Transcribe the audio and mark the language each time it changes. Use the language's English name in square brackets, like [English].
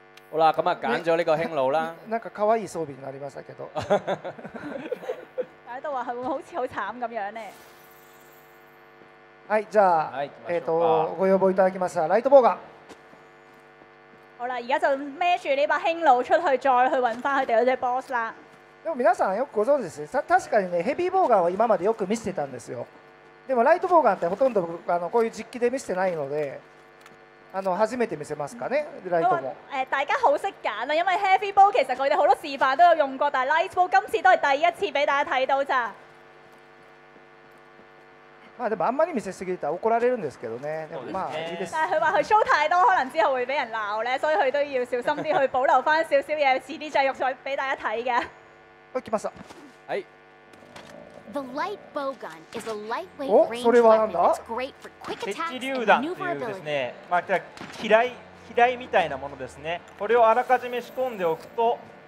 [Cantonese] 好啦，咁啊揀咗呢個輕腦啦。 [Japanese] なんか可愛い装備になりましたけど。 [Cantonese] 喺度話係會好似好慘咁樣咧。 [Japanese] はい、じゃあ、ご要望いただきました、ライトボーガン。 [Cantonese] 好啦，而家就孭住呢把輕弩出去，再去揾翻佢哋嗰只 boss 啦。 [Japanese] でも皆さんよくご存知です。確かにね、ヘビーボーガンは今までよく見せてたんですよ。でもライトボーガンってほとんどこういう実機で見せてないので、初めて見せますかね、ライトも。 [Cantonese] 大家好識揀啊，因為 heavy bow 其實佢哋好多示範都有用過，但係 light bow 今次都係第一次俾大家睇到咋。 [Japanese] まあ、でもあんまり見せすぎたら怒られるんですけどね。でもまあいいです。 [Cantonese] 但係佢話佢 show 太多，可能之後會俾人鬧咧，所以佢都要小心啲去保留翻少少嘢，遲啲再用再俾大家睇嘅。 [Japanese] 好，きました。はい。 [English] The light bow gun is a lightweight range weapon. It's great for quick attacks. [Japanese] 鉄榴弾というですね。まあ、機雷みたいなものですね。これをあらかじめ仕込んでおくと。